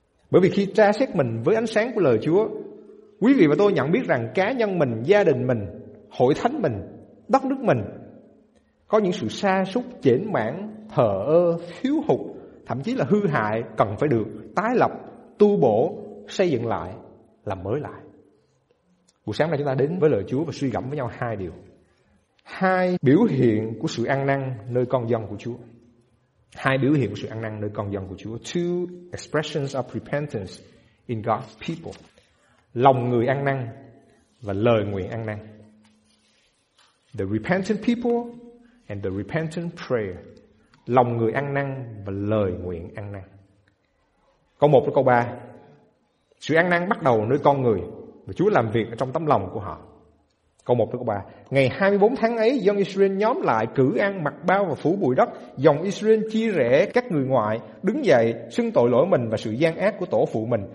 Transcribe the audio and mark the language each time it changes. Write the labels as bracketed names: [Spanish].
[Vietnamese] Bởi vì khi tra xét mình với ánh sáng của lời Chúa, quý vị và tôi nhận biết rằng cá nhân mình, gia đình mình, hội thánh mình, đất nước mình có những sự sa sút, chển mảng, thờ ơ, thiếu hụt, thậm chí là hư hại, cần phải được tái lập, tu bổ, xây dựng lại, làm mới lại. Buổi sáng nay chúng ta đến với lời Chúa và suy gẫm với nhau hai điều, hai biểu hiện của sự ăn năn nơi con dân của Chúa. Hai biểu hiện của sự ăn năn nơi con dân của Chúa. [English] Two expressions of repentance in God's people. [Vietnamese] Lòng người ăn năn và lời nguyện ăn năn. [English] The repentant people and the repentant prayer. [Vietnamese] Lòng người ăn năn và lời nguyện ăn năn. Câu 1 với câu 3. Sự ăn năn bắt đầu nơi con người và Chúa làm việc ở trong tấm lòng của họ. Câu 1 với câu 3. Ngày 24 tháng ấy, dân Israel nhóm lại cử ăn, mặc bao và phủ bụi đất. Dòng Israel chia rẽ các người ngoại, đứng dậy xưng tội lỗi mình và sự gian ác của tổ phụ mình.